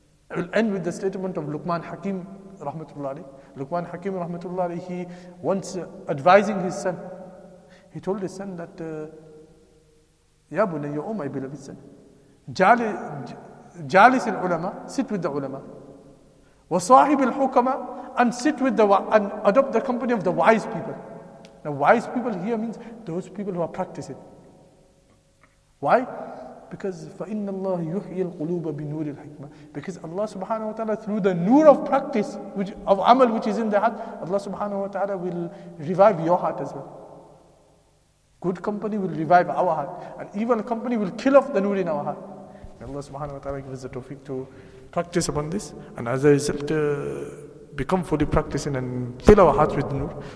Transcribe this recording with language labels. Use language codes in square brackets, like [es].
[en] I will end with the statement of Luqman Hakim rahmatullahi. Luqman Hakim rahmatullahi, he once advising his son, he told his son that, Ya bunayya, oh my beloved son, jalis al ulama, sit with the ulama, wa sahib al hukama, and sit with the, and adopt the company of the wise people. Now, wise people here means those people who are practicing. Why? Because [ar] فَإِنَّ اللَّهِ يُحْيِي الْقُلُوبَ بِنُورِ الْحِكْمَةِ. [en] Because Allah subhanahu wa ta'ala, through the nur of practice, which of amal which is in the heart, Allah subhanahu wa ta'ala will revive your heart as well. Good company will revive our heart, and evil company will kill off the nur in our heart. May Allah subhanahu wa ta'ala give us the tawfiq to practice upon this, and as a result, become fully practicing and fill our hearts with nur.